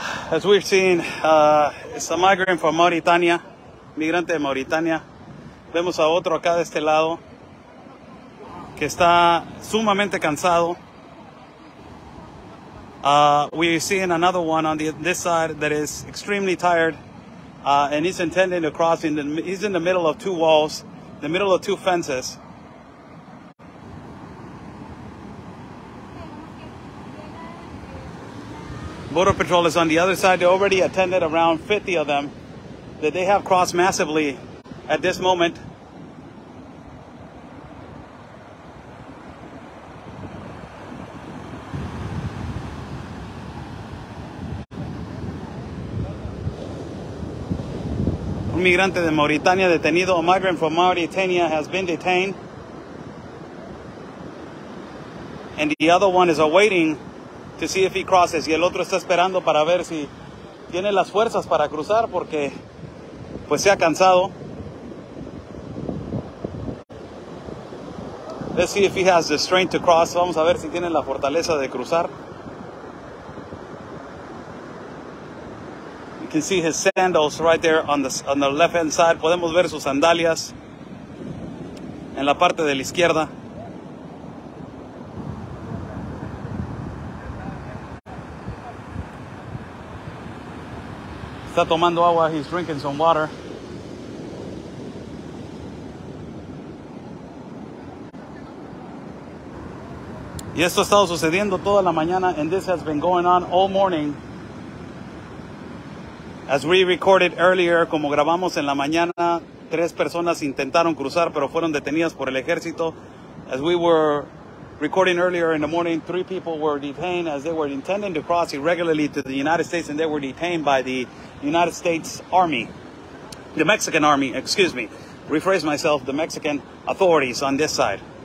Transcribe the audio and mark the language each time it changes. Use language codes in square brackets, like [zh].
[en] As we've seen, it's a migrant from Mauritania. [es] Migrante de Mauritania. Vemos a otro acá de este lado, que está sumamente cansado. [en] We're seeing another one on this side that is extremely tired, and he's intending to cross. He's in the middle of two walls, the middle of two fences. Border Patrol is on the other side. They already attended around 50 of them that they have crossed massively at this moment. [es] Un migrante de Mauritania detenido. [en] A migrant from Mauritania has been detained. And the other one is awaiting to see if he crosses. [es] Y el otro está esperando para ver si tiene las fuerzas para cruzar porque pues se ha cansado. [en] Let's see if he has the strength to cross. [es] Vamos a ver si tiene la fortaleza de cruzar. [en] You can see his sandals right there on the left hand side. [es] Podemos ver sus sandalias en la parte de la izquierda. Está tomando agua. [en] He's drinking some water. [es] Y esto ha estado sucediendo toda la mañana, [en] and this has been going on all morning. As we recorded earlier, [es] como grabamos en la mañana, tres personas intentaron cruzar, pero fueron detenidas por el ejército. [en] As we were recording earlier in the morning, three people were detained as they were intending to cross irregularly to the United States, and they were detained by the United States Army, the Mexican Army, excuse me, rephrase myself, the Mexican authorities on this side.